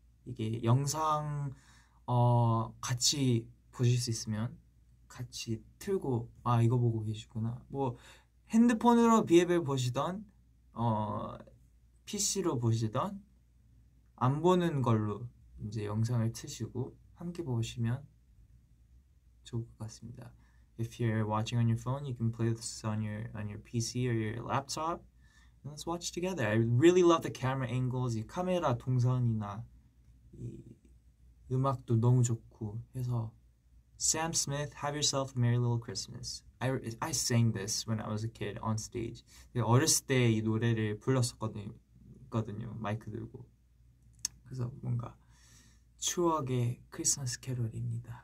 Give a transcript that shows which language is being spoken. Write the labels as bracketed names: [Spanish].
[Korean] 이게 영상 같이 보실 수 있으면 같이 틀고, 아, 이거 보고 계시구나. 뭐 핸드폰으로 비앱을 보시던, PC로 보시던, 안 보는 걸로 이제 영상을 트시고 함께 보시면 좋을 것 같습니다. [English] If you're watching on your phone, you can play this on your PC or your laptop. And let's watch together. I really love the camera angles. [Korean] 이 카메라 동선이나 이 음악도 너무 좋고 해서 [English] Sam Smith, Have Yourself a Merry Little Christmas. I sang this when I was a kid on stage. [Korean] 어렸을 때이 노래를 불렀었거든요. 마이크 들고. 그래서 뭔가 추억의 크리스마스 캐롤입니다.